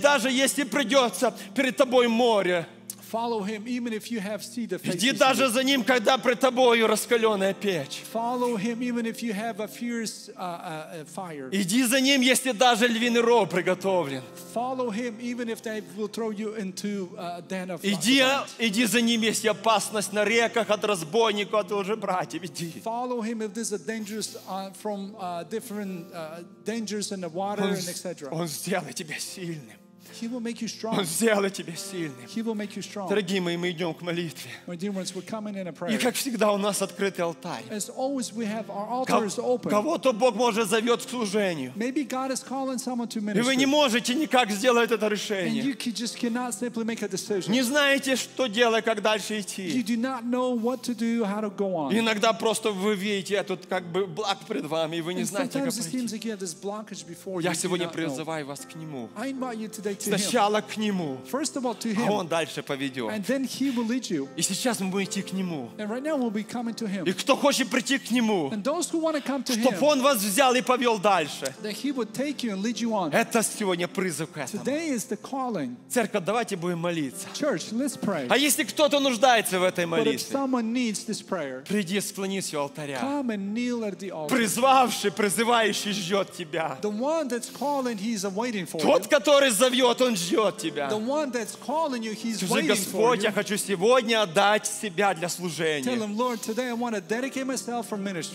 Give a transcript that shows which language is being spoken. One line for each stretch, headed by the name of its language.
Russian: Даже, если придется перед тобой море.
English: Follow him even if you have sea to face.
Russian: Иди даже за ним, когда пред тобою раскаленная печь.
English: Follow him even if you have a fierce fire.
Russian: Иди за ним, если даже львиный ров приготовлен.
English: Follow him even if they will throw you into a den of lions.
Russian: Иди за ним, если опасность на реках от разбойников, от уже братьев. Иди.
English: Follow him if there's a danger from different dangers in the water and etc.
Russian: Он сделает тебя сильным.
English: He will make you strong.
Russian: Он сделает тебя сильным.
English: He will make you strong.
Russian: Дорогие мои, мы идем к молитве.
English: My dear ones, we're coming in a prayer.
Russian: И как всегда у нас открытый алтарь.
English: As always, we have our altar is open.
Russian: Кого-то Бог может зовет к служению.
English: Maybe God is calling someone to ministry.
Russian: И вы не можете никак сделать это решение.
English: And you just cannot simply make a decision.
Russian: Не знаете, что делать, как дальше идти.
English: You do not know what to do, how to go on.
Russian: Иногда просто вы видите этот как бы блок перед вами, и вы не
English: And
Russian: знаете, как идти.
English: Sometimes it seems like this blockage before you.
Russian: Я сегодня призываю вас к Нему.
English: I invite you today.
Russian: Сначала к Нему.
English: First of all, to him.
Russian: А Он дальше поведет.
English: And then he will lead you.
Russian: И сейчас мы будем идти к Нему.
English: And right now we'll be coming to him.
Russian: И кто хочет прийти к Нему,
English: and those who want to come to
Russian: чтобы
English: him,
Russian: Он вас взял и повел дальше,
English: that he would take you and lead you on.
Russian: Это сегодня призыв к этому.
English: Today is the calling.
Russian: Церковь, давайте будем молиться.
English: Church, let's pray.
Russian: А если кто-то нуждается в этой молитве,
English: but if someone needs this prayer,
Russian: приди, склонись у алтаря.
English: Come and kneel at the altar.
Russian: Призвавший, призывающий ждет тебя.
English: The one that's calling, he's awaiting for
Russian: Тот,
English: you.
Russian: Который зовет, вот Он ждет тебя.
English: The one that's calling you, he's waiting for you.
Russian: Господь, я хочу сегодня отдать себя для служения.
English: Tell him, Lord, today I want to dedicate myself for ministry.